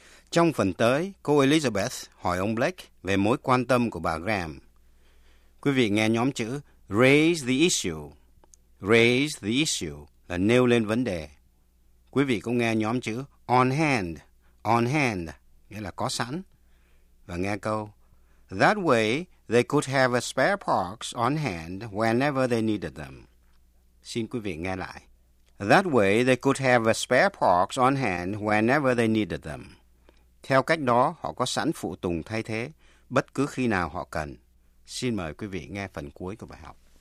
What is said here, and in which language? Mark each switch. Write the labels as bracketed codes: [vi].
[vi] Trong phần tới, cô Elizabeth hỏi ông Blake về mối quan tâm của bà Graham. Quý vị nghe nhóm chữ raise the issue. [en] Raise the issue [vi] là nêu lên vấn đề. Quý vị cũng nghe nhóm chữ on hand nghĩa là có sẵn. Và nghe câu, [en] that way they could have a spare parts on hand whenever they needed them. [vi] Xin quý vị nghe lại. [en] That way they could have a spare parts on hand whenever they needed them. [vi] Theo cách đó, họ có sẵn phụ tùng thay thế bất cứ khi nào họ cần. Xin mời quý vị nghe phần cuối của bài học.